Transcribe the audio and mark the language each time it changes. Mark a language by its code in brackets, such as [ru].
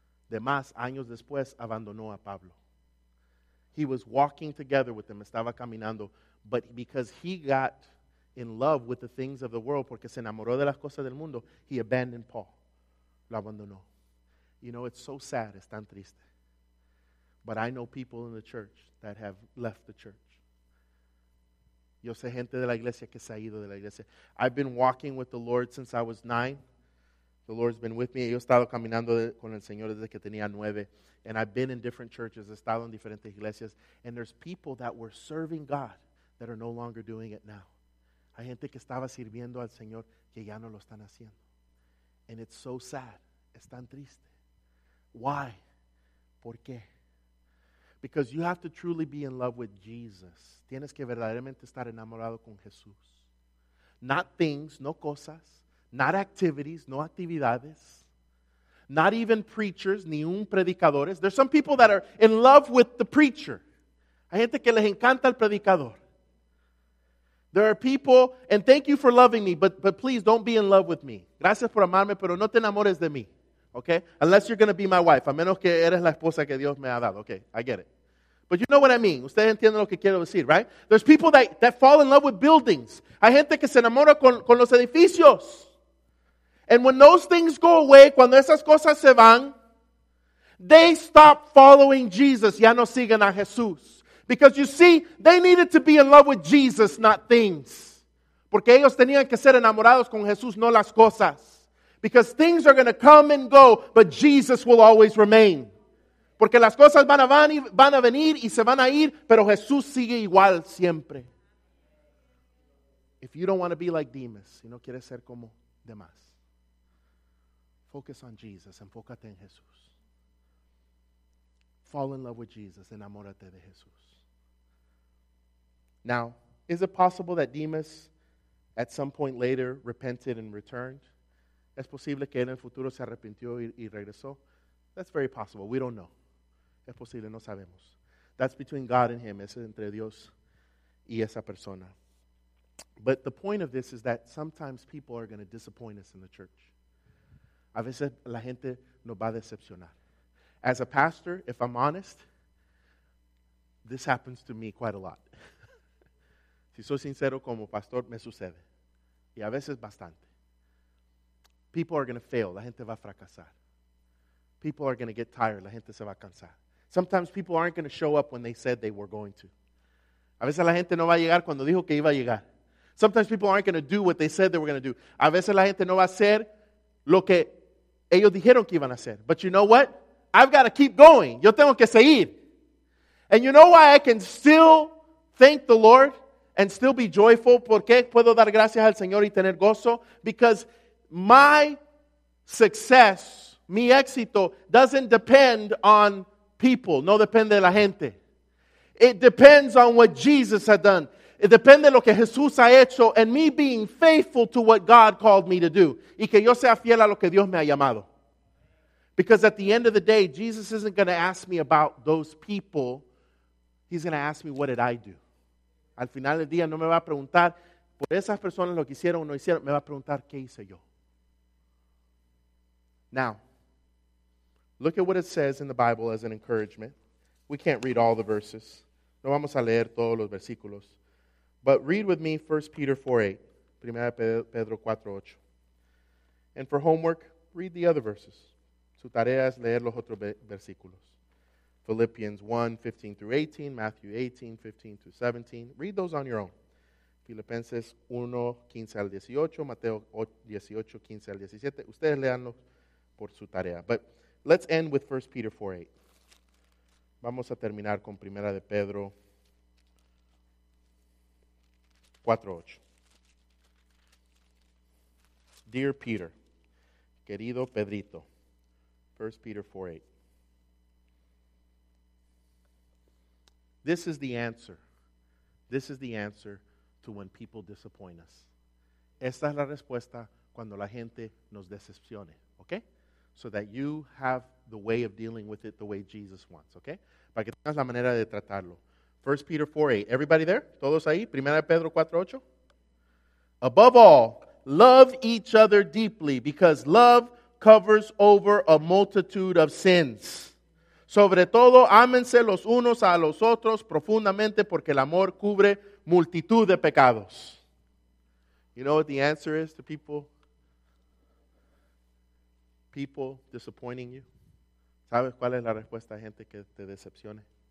[es] Demas, años después, abandonó a Pablo. [en] He was walking together with them, [es] estaba caminando, [en] but because he got in love with the things of the world, [es] porque se enamoró de las cosas del mundo, [en] he abandoned Paul. [es] Lo abandonó. [en] You know, it's so sad, [es] es tan triste. [en] But I know people in the church that have left the church. [es] Yo sé gente de la iglesia que se ha ido de la iglesia. [en] I've been walking with the Lord since I was 9. The Lord's been with me. [es] Yo he estado caminando con el Señor desde que tenía 9. [en] And I've been in different churches. [es] He estado en diferentes iglesias. [en] And there's people that were serving God that are no longer doing it now. [es] Hay gente que estaba sirviendo al Señor que ya no lo están haciendo. [en] And it's so sad. [es] Es tan triste. [en] Why? [es] ¿Por qué? [en] Because you have to truly be in love with Jesus. [es] Tienes que verdaderamente estar enamorado con Jesús. [en] Not things, [es] no cosas. [en] Not activities, [es] no actividades. [en] Not even preachers, [es] ni un predicadores. [en] There's some people that are in love with the preacher. [es] Hay gente que les encanta el predicador. [en] There are people, and thank you for loving me, but please don't be in love with me. [es] Gracias por amarme, pero no te enamores de mí. [en] Okay? Unless you're going to be my wife. [es] A menos que eres la esposa que Dios me ha dado. [en] Okay, I get it. But you know what I mean. [es] Ustedes entienden lo que quiero decir, [en] right? There's people that fall in love with buildings. [es] Hay gente que se enamora con los edificios. [en] And when those things go away, [es] cuando esas cosas se van, [en] they stop following Jesus. [es] Ya no siguen a Jesús. [en] Because you see, they needed to be in love with Jesus, not things. [es] Porque ellos tenían que ser enamorados con Jesús, no las cosas. [en] Because things are going to come and go, but Jesus will always remain. [es] Porque las cosas van a venir y se van a ir, pero Jesús sigue igual siempre. [en] If you don't want to be like Demas, [es] si no quieres ser como Demas, [en] focus on Jesus, [es] enfócate en Jesús. [en] Fall in love with Jesus, [es] enamórate de Jesús. [en] Now, is it possible that Demas, at some point later, repented and returned? [es] ¿Es posible que en el futuro se arrepintió y regresó? [en] That's very possible. We don't know. [es] Es posible, no sabemos. [en] That's between God and him. [es] Es entre Dios y esa persona. [en] But the point of this is that sometimes people are going to disappoint us in the church. [es] A veces la gente nos va a decepcionar. [en] As a pastor, if I'm honest, this happens to me quite a lot. [es] Si soy sincero, como pastor, me sucede. Y a veces bastante. [en] People are going to fail. [es] La gente va a fracasar. [en] People are going to get tired. [es] La gente se va a cansar. [en] Sometimes people aren't going to show up when they said they were going to. [es] A veces la gente no va a llegar cuando dijo que iba a llegar. [en] Sometimes people aren't going to do what they said they were going to do. [es] A veces la gente no va a hacer lo que ellos dijeron que iban a hacer. [en] But you know what? I've got to keep going. [es] Yo tengo que seguir. [en] And you know why I can still thank the Lord and still be joyful? [es] ¿Por qué puedo dar gracias al Señor y tener gozo? [en] Because my success, [es] mi éxito, [en] doesn't depend on people. [es] No depende de la gente. [en] It depends on what Jesus has done. It [es] depende de lo que Jesús ha hecho [en] and me being faithful to what God called me to do. [es] Y que yo sea fiel a lo que Dios me ha llamado. [en] Because at the end of the day, Jesus isn't going to ask me about those people. He's going to ask me, what did I do? [es] Al final del día, no me va a preguntar por esas personas lo que hicieron o no hicieron. Me va a preguntar, ¿qué hice yo? [en] Now, look at what it says in the Bible as an encouragement. We can't read all the verses. [es] No vamos a leer todos los versículos. [en] But read with me 1 Peter 4:8. 1 Pedro 4:8. And for homework, read the other verses. [es] Su tarea es leer los otros versículos. [en] Philippians 1:15 through 18, Matthew 18:15 through 17. Read those on your own. [es] Filipenses 1:15 al 18, Mateo 18:15 al 17. Ustedes leanlos por su tarea. [en] But let's end with 1 Peter 4:8. [es] Vamos a terminar con Primera de Pedro 4:8. [en] Dear Peter, [es] querido Pedrito. [en] 1 Peter 4:8. This is the answer. This is the answer to when people disappoint us. [es] Esta es la respuesta cuando la gente nos decepcione, ¿okay? [en] So that you have the way of dealing with it the way Jesus wants, ¿okay? [es] Para que tengas la manera de tratarlo. 1 Peter 4:8. [en] Everybody there? [es] ¿Todos ahí? [en] Primera de Pedro 4:8. Above all, love each other deeply because love covers over a multitude of sins. [es] Sobre todo, ámense los unos a los otros profundamente porque el amor cubre multitud de pecados. [en] You know what the answer is to people disappointing you? [es] ¿Sabes cuál es la respuesta a gente que te decepcione?